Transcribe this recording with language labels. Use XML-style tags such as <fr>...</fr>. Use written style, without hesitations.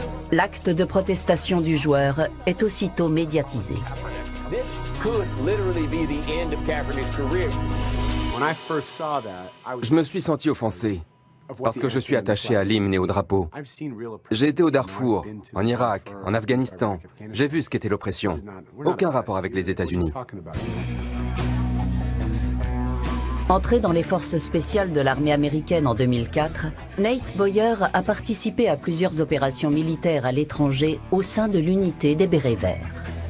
<fr>L'acte de protestation du joueur est aussitôt médiatisé.</fr> <en>This could literally be the end of Kaepernick's career. When I first saw that, I was...</en> <fr>Je me suis senti offensé. Parce que je suis attaché à l'hymne et au drapeau. J'ai été au Darfour, en Irak, en Afghanistan. J'ai vu ce qu'était l'oppression. Aucun rapport avec les États-Unis. Entré dans les forces spéciales de l'armée américaine en 2004, Nate Boyer a participé à plusieurs opérations militaires à l'étranger au sein de l'unité des Bérets Verts.</fr>